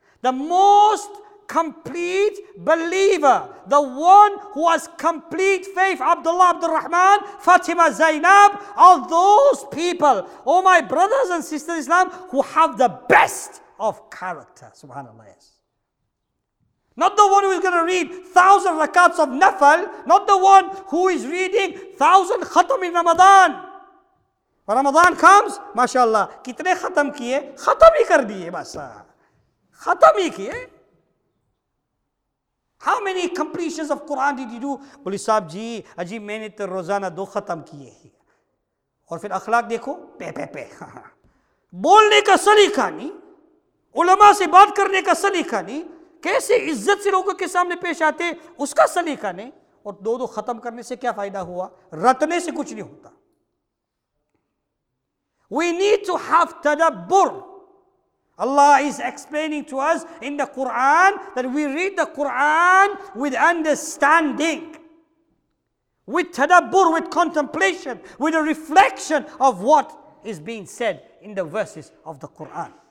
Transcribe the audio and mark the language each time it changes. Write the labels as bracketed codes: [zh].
[en] The most complete believer, the one who has complete faith, Abdullah Abdul Rahman, Fatima Zainab, are those people, oh my brothers and sisters in Islam, who have the best of character, subhanAllah. Yes. Not the one who is going to read 1,000 rakats of nafal, not the one who is reading 1,000 khatam in Ramadan. When Ramadan comes، [ur] ماشاءاللہ، کتنے ختم کیے؟ ختم ہی کر دیے بسا۔ ختم ہی کیے؟ [en] How many completions of Quran did you do? [ur] بولی صاحب جی، اجی میں نے تو روزانہ دو ختم کیے ہی۔ اور پھر اخلاق دیکھو، پے۔ بولنے کا سلیقہ نہیں، علما سے بات کرنے کا سلیقہ نہیں، کیسے عزت سے لوگوں کے سامنے پیش آتے، اس کا سلیقہ نہیں۔ اور دو ختم کرنے سے کیا فائدہ ہوا؟ رٹنے سے کچھ نہیں ہوتا۔ [en] We need to have tadabbur. Allah is explaining to us in the Quran that we read the Quran with understanding, with tadabbur, with contemplation, with a reflection of what is being said in the verses of the Quran.